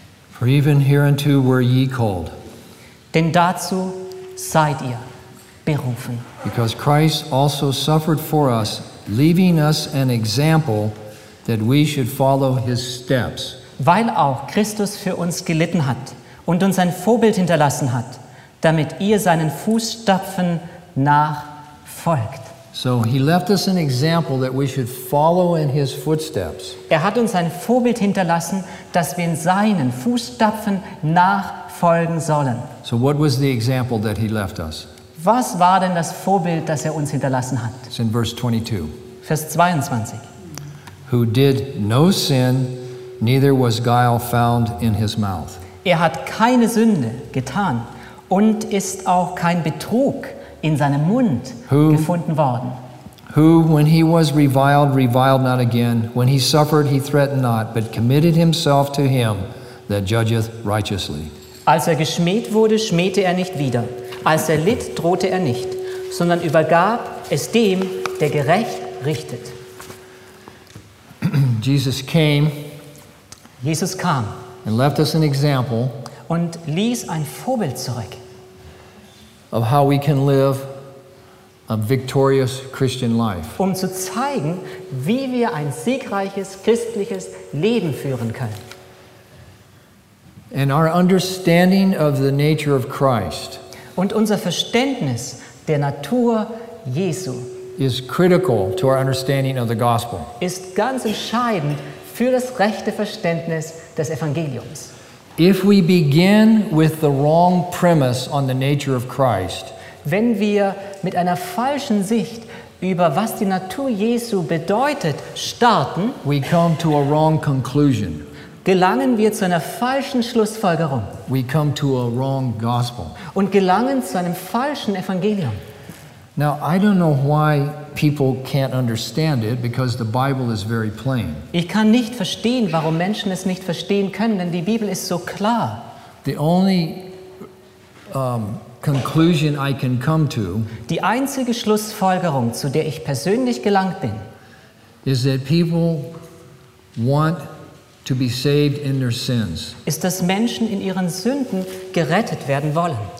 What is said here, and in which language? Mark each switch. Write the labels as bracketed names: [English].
[English] For even hereunto were ye called. [German] Denn dazu seid ihr berufen. [English] Because Christ also suffered for us, leaving us an example that we should follow his steps. [German] Weil auch Christus für uns gelitten hat und uns ein Vorbild hinterlassen hat, damit ihr seinen Fußstapfen nachfolgt. [English] So he left us an example that we should follow in his footsteps. [German] Er hat uns ein Vorbild hinterlassen, dass wir in seinen Fußstapfen nachfolgen sollen. [English] So what was the example that he left us? [German] Was war denn das Vorbild, das er uns hinterlassen hat? [English] It's in verse 22. [German] Vers 22. [English] Who did no sin, neither was guile found in his mouth. [German] Er hat keine Sünde getan. Und ist auch kein Betrug in seinem Mund gefunden worden. [English] Who, when he was reviled, reviled not again. When he suffered, he threatened not, but committed himself to him that judgeth righteously. [German] Als er geschmäht wurde, schmähte er nicht wieder. Als er litt, drohte er nicht, sondern übergab es dem, der gerecht richtet. [English] Jesus came. [German] Jesus kam. [English] And left us an example. [German] Und ließ ein Vorbild zurück. [English] Of how we can live a victorious Christian life. [German] Um zu zeigen, wie wir ein siegreiches christliches Leben führen können. [English] And our understanding of the nature of Christ. [German] Und unser Verständnis der Natur Jesu. [English] Is critical to our understanding of the gospel. [German] Ist ganz entscheidend für das rechte Verständnis des Evangeliums. [English] If we begin with the wrong premise on the nature of Christ, [German] wenn wir mit einer falschen Sicht über was die Natur Jesu bedeutet starten, [English] we come to a wrong conclusion. [German] Gelangen wir zu einer falschen Schlussfolgerung. [English] We come to a wrong gospel. [German] Und gelangen zu einem falschen Evangelium. [English] Now, I don't know why people can't understand it, because the Bible is very plain. [German] Ich kann nicht verstehen, warum Menschen es nicht verstehen können, denn die Bibel ist so klar. [English] The only conclusion I can come to, [German] die einzige Schlussfolgerung, zu der ich persönlich gelangt bin, [English] is that people want to be saved in their sins. [German] Ist, dass Menschen in ihren Sünden gerettet werden wollen.